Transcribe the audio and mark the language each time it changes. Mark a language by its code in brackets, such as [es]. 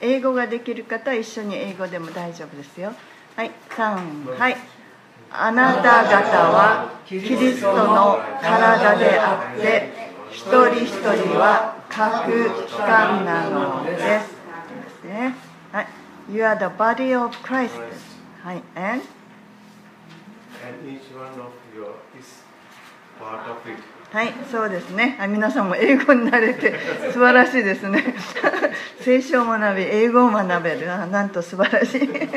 [ja] 英語ができる方は一緒に英語でも大丈夫ですよ。はい、3、はい、あなた方はキリストの体であって、一人一人は各器官なのです。 [en] はい、You are the body of Christ。はい、 And each one of you is part of it. [ja] はい、そうですね、皆さんも英語に慣れて素晴らしいですね。聖書を学び、英語を学べる、なんと素晴らしい。